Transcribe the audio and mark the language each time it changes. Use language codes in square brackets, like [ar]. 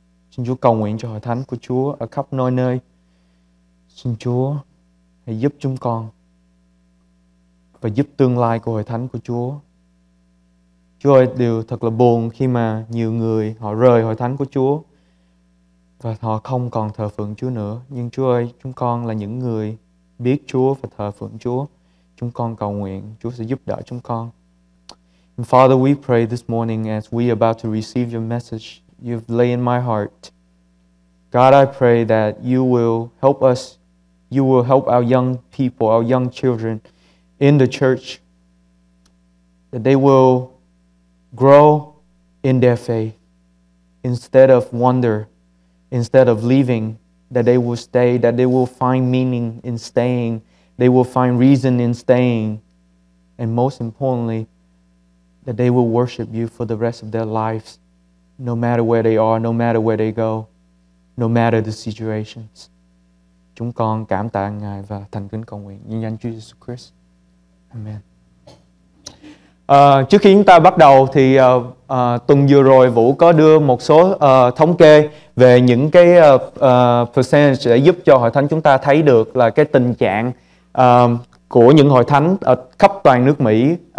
[vi] Xin Chúa cầu nguyện cho hội thánh của Chúa ở khắp nơi nơi. Xin Chúa hãy giúp chúng con và giúp tương lai của hội thánh của Chúa. Chúa ơi, điều thật là buồn khi mà nhiều người họ rời hội thánh của Chúa và họ không còn thờ phượng Chúa nữa. Nhưng Chúa ơi, chúng con là những người biết Chúa và thờ phượng Chúa. Chúng con cầu nguyện Chúa sẽ giúp đỡ chúng con. [en] And Father, we pray this morning as we are about to receive your message you've laid in my heart. God, I pray that you will help us, you will help our young people, our young children in the church, that they will grow in their faith instead of wonder, instead of leaving, that they will stay, that they will find meaning in staying, they will find reason in staying, and most importantly, that they will worship you for the rest of their lives, no matter where they are, no matter where they go, no matter the situations. [vi] Chúng con cảm tạ Ngài và thành kính cầu nguyện nhân danh Chúa Jesus Christ. Amen. Trước khi chúng ta bắt đầu thì tuần vừa rồi Vũ có đưa một số thống kê về những cái percentage để giúp cho hội thánh chúng ta thấy được là cái tình trạng của những hội thánh ở khắp toàn nước Mỹ.